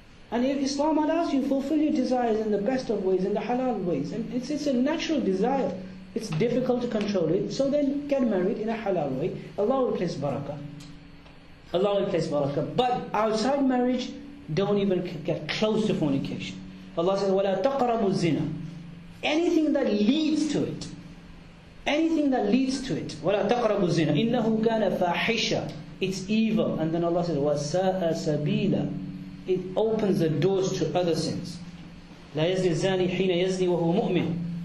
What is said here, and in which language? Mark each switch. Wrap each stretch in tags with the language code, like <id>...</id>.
<en>And if Islam allows you, fulfill your desires in the best of ways, in the halal ways. And it's a natural desire. It's difficult to control it. So then get married in a halal way. Allah will place barakah. Allah will place barakah. But outside marriage, don't even get close to fornication. Allah says,</en> <ar>وَلَا تَقْرَبُوا الزِّنَا.</ar> <en>Anything that leads to it. Anything that leads to it.</en> <ar>وَلَا تَقْرَبُوا الزِّنَا. إِنَّهُ كَانَ فَاحِشًا.</ar> <en>It's evil. And then Allah says,</en> <ar>وَسَاءَ سَبِيلًا.</ar> <en>It opens the doors to other sins.</en> <ar>لَا يَزْنِي الزَّانِي حِينَ يَزْنِي وَهُوَ مُؤْمِنٌ.</ar>